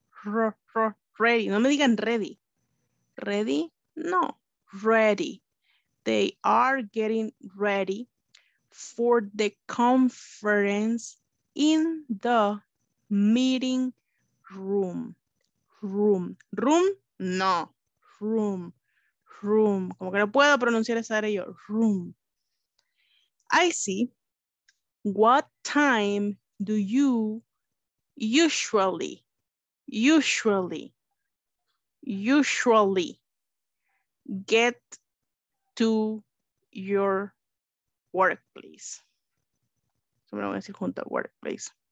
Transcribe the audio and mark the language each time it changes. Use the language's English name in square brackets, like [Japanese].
[English] Ready. [Spanish] No me digan [English] ready. Ready? No. Ready. They are getting ready for the conference in the meeting room. Room. Room? No. Room. [Spanish] Room, como que no puedo pronunciar esa área yo. [English] Room. I see. What time do you usually get to your workplace? [Spanish] So me lo voy a decir junto, workplace.